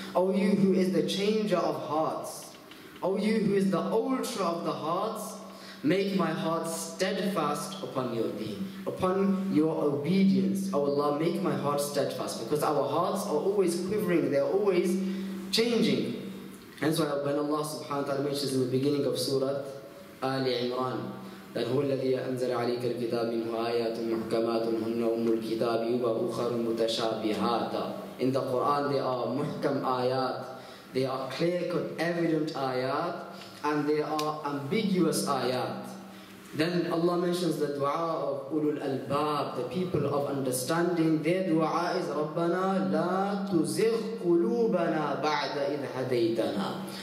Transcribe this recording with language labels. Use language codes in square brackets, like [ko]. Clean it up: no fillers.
[en] O you who is the changer of hearts, O you who is the alterer of the hearts, make my heart steadfast upon your deen, upon your obedience. O Allah, make my heart steadfast, because our hearts are always quivering, they are always changing. Hence why when Allah subhanahu wa ta'ala mentions in the beginning of Surah Ali Imran, that [ar] هو الذي أنزل عليك الكتاب منه آيات محكمات هن أم الكتاب وأخر متشابهات. [en] In the Quran there are muhkam ayat, there are clear-cut evident ayat, and there are ambiguous ayat. Then Allah mentions the dua of Ulul Albab, the people of understanding. Their dua is [ar] Rabbana la tuzigh qulubana ba'da idh hadaytana.